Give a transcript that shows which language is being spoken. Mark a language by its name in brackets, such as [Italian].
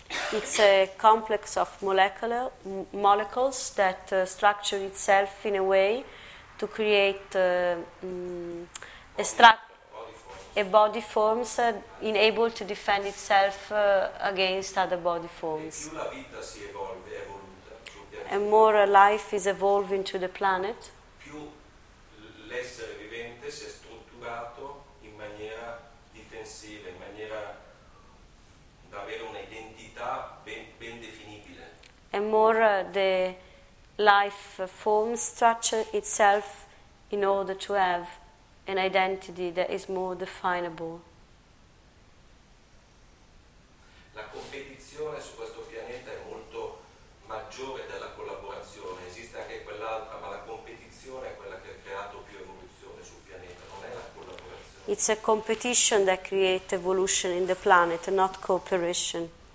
[English] It's a complex of molecules that structure itself in a way to create body forms able to defend itself against other body forms. [Italian] E più la vita si evolve, è evoluta, [English] and more life is evolving to the planet, [Italian] più l'essere vivente si è strutturato in maniera difensiva, in maniera da avere un'identità ben definibile. [English] And more the life form structure itself in order to have an identity that is more definable. [Italian] La competizione su questo pianeta è molto maggiore della collaborazione, esiste anche quell'altra, ma la competizione è quella che ha creato più evoluzione sul pianeta, non è la collaborazione. [English] It's a competition that creates evolution in the planet, not cooperation.